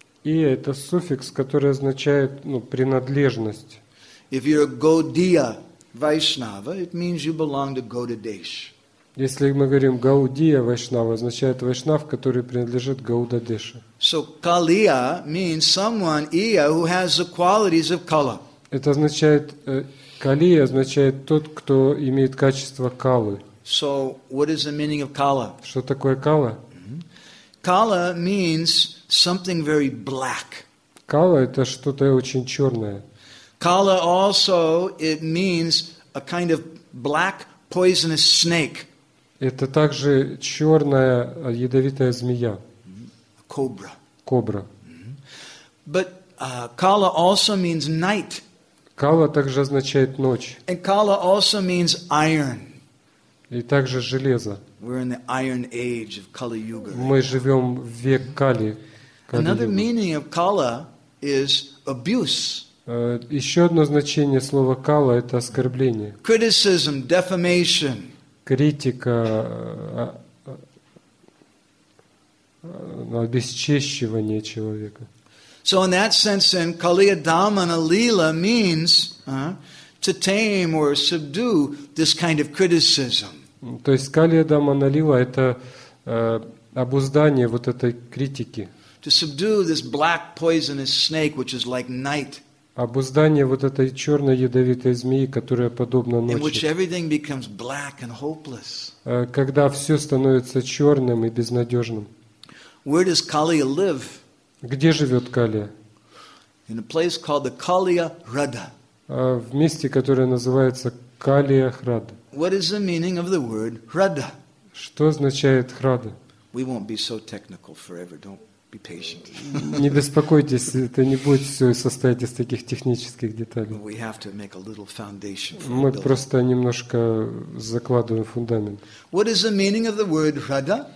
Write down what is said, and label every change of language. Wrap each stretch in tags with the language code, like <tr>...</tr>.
<ru>Ия это суффикс, который означает, ну, принадлежность.</ru> <en>If you're a Gaudiya Vaishnava, it means you belong to Gaudadesh.</en> <ru>Если мы говорим Гаудия Вайшнава, означает Вайшнав, который принадлежит Гаудадеше.</ru> <en>So Kaliya means someone Ия who has the qualities of Kala.</en> <ru>Это означает Калия означает тот, кто имеет качество Калы.</ru> <en>So, what is the meaning of Kala?</en> <ru>Что такое Кала?</ru> <en>Kala means something very black.</en> <ru>Кала это что-то очень черное.</ru> <en>Kala also it means a kind of black poisonous snake.</en> <ru>Это также черная ядовитая змея. Кобра. Кобра.</ru> <en>But Kala also means night.</en> <ru>Кала также означает ночь.</ru> <en>And Kala also means iron.</en> <ru>И также железо.</ru> <en>We're in the iron age of Kali Yuga.</en> <ru>Мы живем в век Кали.</ru> <en>Another meaning of Kala is abuse.</en> <ru>Еще одно значение слова Кала это оскорбление.</ru> <en>Criticism, defamation.</en> <ru>Критика, обесчещивание человека.</ru> <en>So in that sense, then Kaliya Damana Lila means to tame or subdue this kind of criticism.</en> <ru>То есть Калия Дамана Лила это обуздание вот этой критики.</ru> <en>To subdue this black poisonous snake, which is like night.</en> <ru>Обуздание вот этой черной ядовитой змеи, которая подобна ночи.</ru> <en>In which everything becomes black and hopeless.</en> <ru>Когда все становится черным и безнадежным.</ru> <en>Where does Kaliya live?</en> <ru>Где живет Калия?</ru> <en>In a place called the Kaliya Rada.</en> <ru>В месте, которое называется Калия Храда.</ru> <en>What is the meaning of the word Rada?</en> <ru>Что означает Храда?</ru> <en>We won't be so technical forever. Don't be patient.</en> <ru>Не беспокойтесь, это не будет все состоять из таких технических деталей.</ru> <en>But we have to make a little foundation for</en> <ru>Мы просто немножко закладываем фундамент.</ru> <en>What is the meaning of the word Rada?</en>